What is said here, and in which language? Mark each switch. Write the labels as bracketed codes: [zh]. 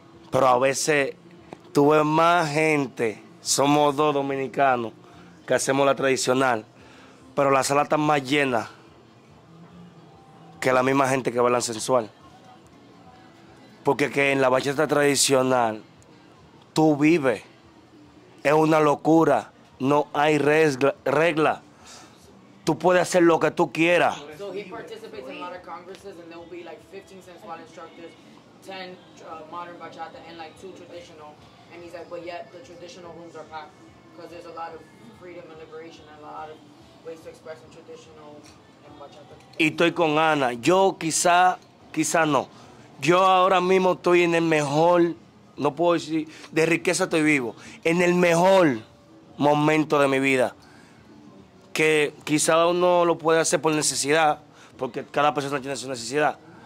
[es] Pero a veces tú ves más gente, somos dos dominicanos que hacemos la tradicional, pero la sala está más llena que la misma gente que baila sensual. Porque que en la bachata tradicional tú vives, es una locura, no hay regla. Tú puedes hacer lo que tú quieras. [en] So he participates in a lot of congresses and there will be like 15 sensual instructors, 10 modern bachata and like 2 traditional. And he's like, but yet the traditional rooms are packed because there's a lot of freedom and liberation and a lot of ways to express in traditional and bachata. [es] Y estoy con Ana. Yo quizá, quizá no. Yo ahora mismo estoy en el mejor, no puedo decir, de riqueza estoy vivo. En el mejor momento de mi vida. Que quizá uno lo puede hacer por necesidad, porque cada persona tiene su necesidad.